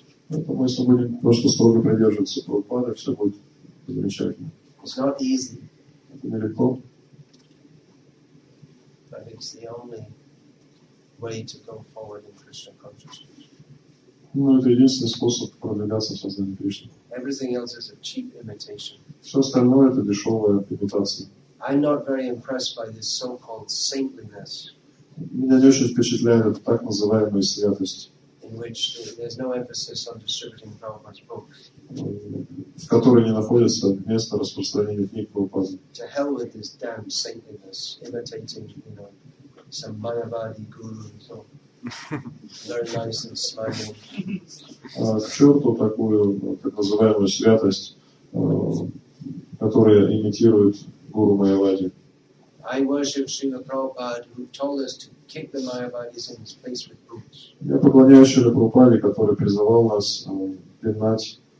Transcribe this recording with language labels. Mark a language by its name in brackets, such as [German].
[Russian] Поэтому если будем просто строго придерживаться Прабхупады, все будет замечательно. [English] It's not easy. [Russian] Это нелегко. [English] But it's the only way to go forward in Krishna consciousness. [Russian] Ну, это единственный способ продвигаться в сознании Кришны. [English] Everything else is a cheap imitation. [Russian] Все остальное это дешевая имитация. [English] I'm not very impressed by this so-called saintliness. [Russian] Меня не очень впечатляет эта так называемая святость. [English] In which there's no emphasis on distributing Prabhupada's books. [Russian] В которой не находится место распространения книг Прабхупады. [English] To hell with this damn saintliness, imitating, you know, some Mayavadi guru and so on. [Russian] К черту такую так называемую святость, которая имитирует гуру Майявади. [English] I worship Srila Prabhupada, who told us to kick the Mayavadis in his face with boots. [Russian] Я поклоняюсь Шриле Прабхупаде, который призывал нас пинать